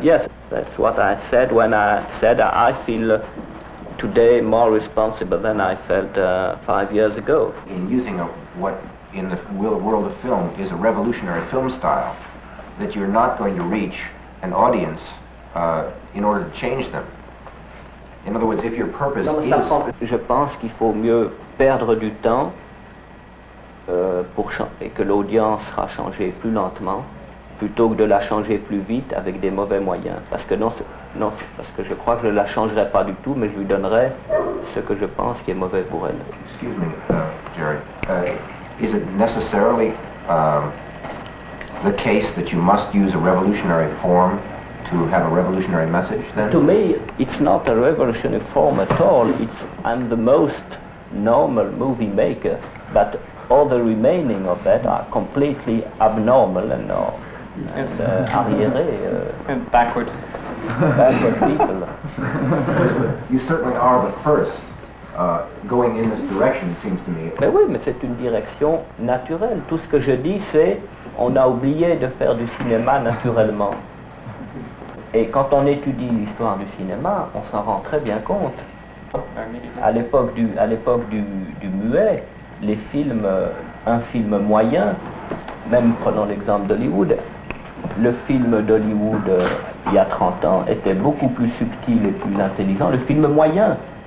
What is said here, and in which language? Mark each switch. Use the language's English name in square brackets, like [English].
[English] Yes, yes, that's what I said when I said I feel today more responsible than I felt 5 years ago. In using a, what in the world of film is a revolutionary film style, that you're not going to reach an audience in order to change them. In other words, if your purpose [French] non, is... Je pense qu'il faut mieux perdre du temps pour et que l'audience sera changée plus lentement plutôt que de la changer plus vite avec des mauvais moyens. Parce que non, parce que je crois que je ne la changerai pas du tout, mais je lui donnerai ce que je pense qui est mauvais pour elle. [English] Excuse me, Jerry. Is it necessarily the case that you must use a revolutionary form to have a revolutionary message then? To me, it's not a revolutionary form at all. It's I'm the most normal movie maker, but all the remaining of that are completely abnormal and arriere. And backward. Backward people. You certainly are the first. Going in this direction, it seems to me. [French] Mais oui, mais c'est une direction naturelle. Tout ce que je dis, c'est on a oublié de faire du cinéma naturellement. Et quand on étudie l'histoire du cinéma, on s'en rend très bien compte. À l'époque du muet, les films, un film moyen, même prenons l'exemple d'Hollywood, le film d'Hollywood il y a 30 ans était beaucoup plus subtil et plus intelligent. Le film moyen.